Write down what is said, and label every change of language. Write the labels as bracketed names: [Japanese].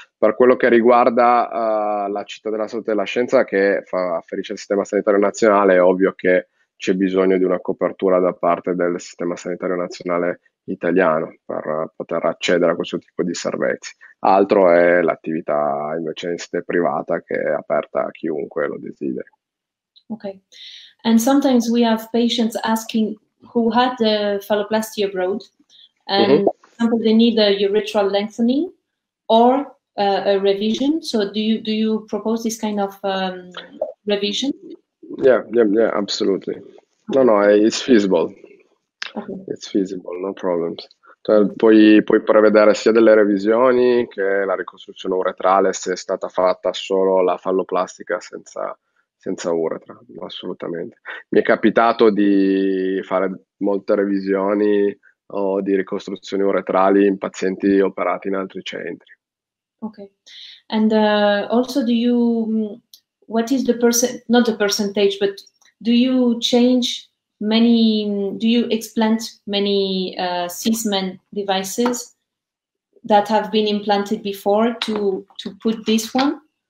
[Italian] Per quello che riguarda la Città della Salute e della Scienza, che fa afferisce al Sistema Sanitario Nazionale, è ovvio che c'è bisogno di una copertura da parte del Sistema Sanitario Nazionale italiano per poter accedere a questo tipo di servizi. Altro è l'attività invece in sede privata che è aperta a chiunque lo desideri. [English] Okay, and sometimes we have patients asking who had the phalloplasty abroad, and sometimes they need a urethral lengthening or a revision. So, do you propose this kind of revision? Yeah, absolutely. No, it's feasible. Okay. It's feasible, no problems. [Italian] Cioè, puoi prevedere sia delle revisioni che la ricostruzione uretrale se è stata fatta solo la falloplastica senza uretra, assolutamente. Mi è capitato di fare molte revisioni o di ricostruzioni uretrali in pazienti operati in altri centri. [English] Okay, and also, what is the percent, not the percentage, but do you explant many Sysmen devices that have been implanted before to put this one?